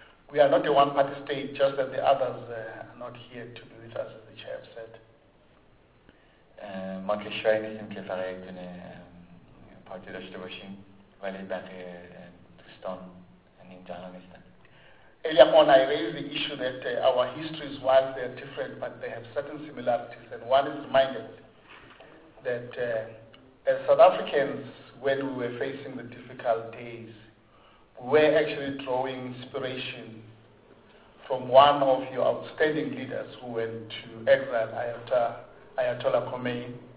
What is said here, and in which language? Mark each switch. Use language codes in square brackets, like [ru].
[en] We are not a one-party state, just that the others are not here to be with us, as the chair said. [fa] ما کشوری نیستیم که فقط یک دونه پارتی داشته باشیم، ولی بقیه دوستان اینجا نیستن. [en] Earlier on I raised the issue that our histories, while they are different, but they have certain similarities, and one is reminded that as South Africans, when we were facing the difficult days, we were actually drawing inspiration from one of your outstanding leaders who went to exile, Ayatollah Khomeini,